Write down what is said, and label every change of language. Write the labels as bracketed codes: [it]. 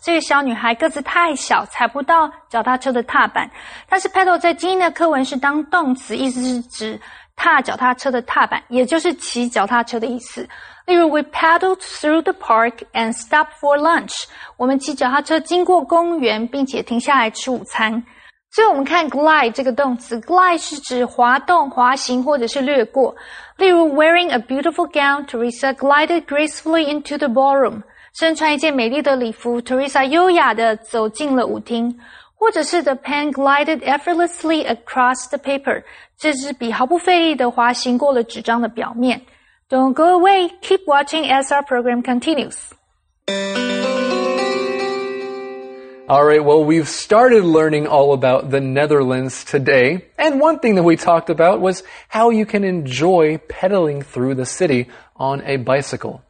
[zh] 这个小女孩个子太小, 踩不到脚踏车的踏板。但是pedal在今天的课文是当动词, 意思是指踏脚踏车的踏板, 也就是骑脚踏车的意思。例如, [en] we pedaled through the park and stopped for lunch. [zh] 我们骑脚踏车经过公园, 并且停下来吃午餐。所以我们看glide这个动词, glide是指滑动、滑行或者是掠过。例如, [en] wearing a beautiful gown, Teresa glided gracefully into the ballroom. [zh] 身穿一件美丽的礼服, Teresa优雅地走进了舞厅。或者是, [en] the pen glided effortlessly across the paper. [zh] 这支笔毫不费力地滑行过了纸张的表面。 [en] Don't go away, keep watching as our program continues. All right, well, we've started learning all about the Netherlands today. And one thing that we talked about was how you can enjoy pedaling through the city on a bicycle.